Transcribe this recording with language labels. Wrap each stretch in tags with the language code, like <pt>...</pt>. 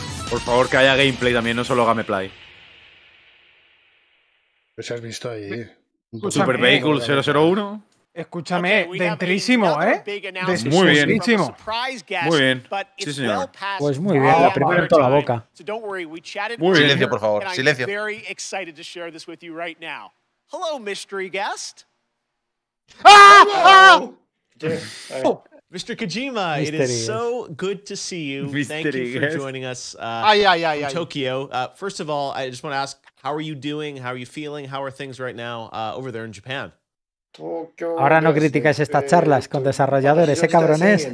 <es>Por favor, que haya gameplay también, no solo gameplay. Pues has visto ahí. Super Vehicle 001. Escúchame, dentrísimo, ¿eh? Muy bien. Muy bien. Sí, señor. Pues muy bien, la primera en toda la boca. Muy bien. Silencio, por favor. Silencio.</es> <en>Very excited to share this with you right now. Hello, mystery guest. Mr. Kojima, it is so good to see you. Thank you for joining us in Tokyo. First of all, I just want to ask, how are you doing? How are you feeling? How are things right now over there in Japan?</en> <es>Ahora no criticas estas charlas con desarrolladores, ¿eh, cabrones?</es>